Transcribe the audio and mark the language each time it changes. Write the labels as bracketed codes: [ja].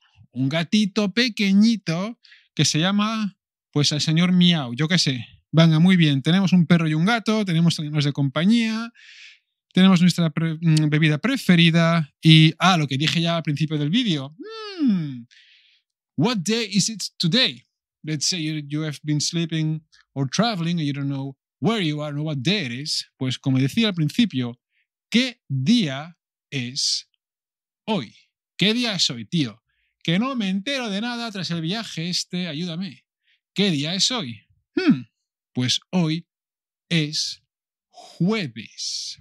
[es] Un gatito pequeñito que se llama, pues, el señor Miau, yo qué sé. Venga, muy bien. Tenemos un perro y un gato, tenemos animales de compañía, tenemos nuestra bebida preferida y, lo que dije ya al principio del vídeo. [en] What day is it today? Let's say you have been sleeping or traveling and you don't know where you are or what day it is. [es] Pues como decía al principio, ¿qué día es hoy? ¿Qué día es hoy, tío? Que no me entero de nada tras el viaje este, ayúdame. ¿Qué día es hoy? Pues hoy es jueves.